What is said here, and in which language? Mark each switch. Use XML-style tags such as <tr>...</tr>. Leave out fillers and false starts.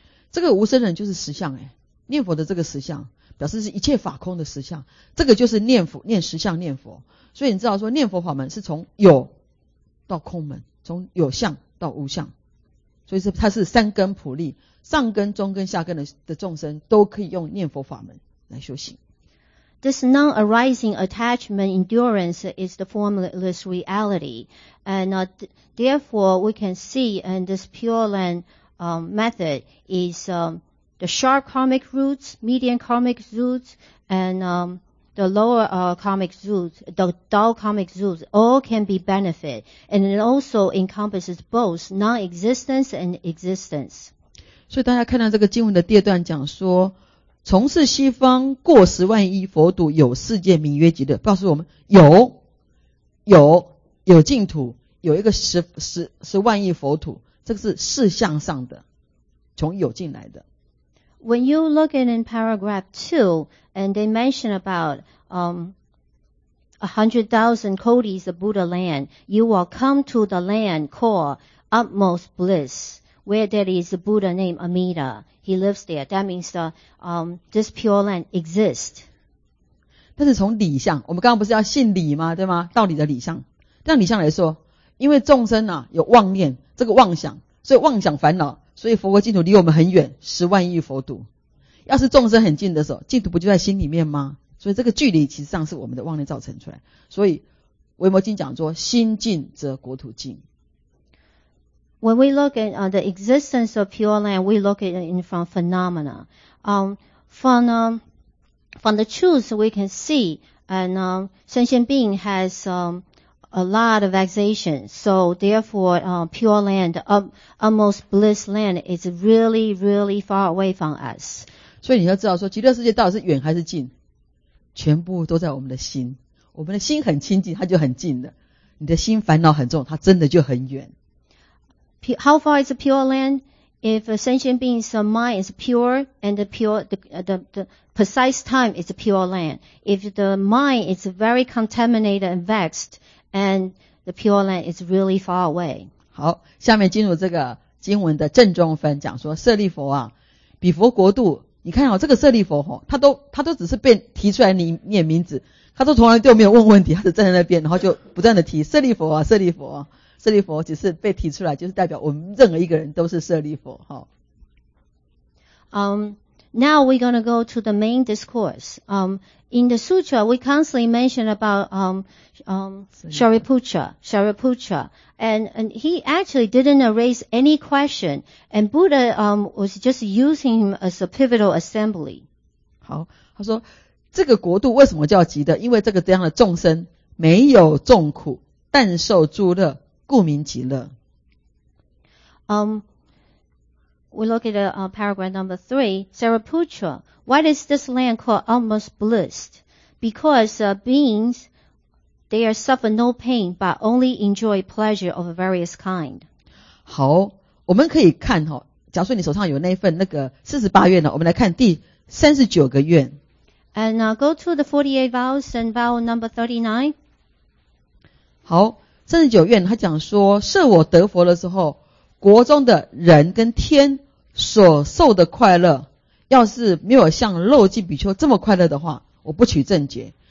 <zh>这个无生忍就是实相，念佛的这个实相表示是一切法空的实相，这个就是念佛，念实相念佛。所以你知道说念佛法门是从有到空门，从有相到无相，所以它是三根普利，上根、中根、下根的众生都可以用念佛法门来修行。</zh> <en>This non-arising attachment endurance is the formless reality, and therefore we can see, and this pure land method is the sharp karmic roots, median karmic roots, and the lower karmic roots, the dull karmic roots, all can be benefit, and it also encompasses both non-existence and existence.</en> <zh>所以大家看到这个经文的第二段讲说，从事西方过十万亿佛土，有世界名曰极乐，告诉我们有净土，有一个十万亿佛土，这个是事相上的，从有进来的。</zh> <en>When you look in paragraph 2, and they mention about 100,000 kodis of Buddha land, you will come to the land called utmost bliss. Where there is a Buddha named Amida, he lives there. That means this pure land exists.</en> <zh>但是从理相，我们刚刚不是要信理吗？对吗？道理的理相。但理相来说，因为众生啊有妄念，这个妄想，所以妄想烦恼，所以佛国净土离我们很远，十万亿佛土。要是众生很近的时候，净土不就在心里面吗？所以这个距离其实上是我们的妄念造成出来。所以《维摩经》讲说，心近则国土近。</zh> <en>When we look at the existence of pure land, we look at it in from phenomena. From the truth, we can see, and sentient being has a lot of vexation. So therefore, pure land, almost bliss land, is really, really far away from us.</en> <zh>所以你要知道说，极乐世界到底是远还是近，全部都在我们的心。我们的心很清净，它就很近的。你的心烦恼很重，它真的就很远。</zh> <en>How far is the pure land? If a sentient being's mind is pure and the precise time is a pure land. If the mind is very contaminated and vexed, and the pure land is really far away.</en> <zh>好，下面进入这个经文的正中分，讲说舍利佛啊，彼佛国度，你看好这个舍利佛哈，他都只是被提出来念名字，他都从来都没有问问题，他就站在那边，然后就不断的提舍利佛啊，舍利佛啊。舍利佛只是被提出来，就是代表我们任何一个人都是舍利佛。哦、</zh> <en>Now we're going to go to the main discourse. In the sutra, we constantly mention about Shariputra. And he actually didn't raise any question. And Buddha was just using him as a pivotal assembly.</en> <zh>好，他说这个国度为什么叫极乐？因为这个这样的众生没有众苦，但受诸乐，故名极乐。</zh> <en>We look at paragraph number 3, Sariputra. Why is this land called almost blessed? Because beings, they are suffer no pain, but only enjoy pleasure of various kind.</en> <zh>好，我们可以看哦，假如说你手上有那份那个48愿呢，我们来看第39个愿。</zh> <en>And go to the 48 vows and vow number 39.</en> <zh>好，39愿他讲说，设我得佛的时候，国中的人跟天所受的快乐，要是没有像肉髻比丘这么快乐的话，我不取正觉。</zh>